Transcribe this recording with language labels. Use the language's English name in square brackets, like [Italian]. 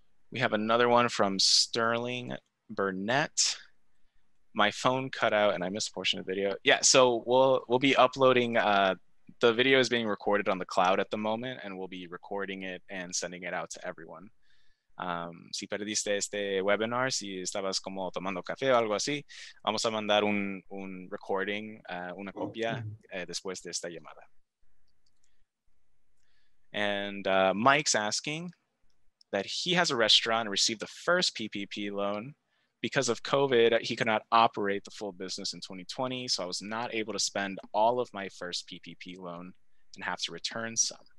[English] We have another one from Sterling Burnett. My phone cut out and I missed a portion of the video. Yeah, so we'll be uploading, the video is being recorded on the cloud at the moment, and we'll be recording it and sending it out to everyone. [Spanish] Si perdiste este webinar, si estabas como tomando café o algo así, vamos a mandar un recording, una copia, después de esta llamada. [English] And Mike's asking that he has a restaurant and received the first PPP loan. Because of COVID, he could not operate the full business in 2020, so I was not able to spend all of my first PPP loan and have to return some.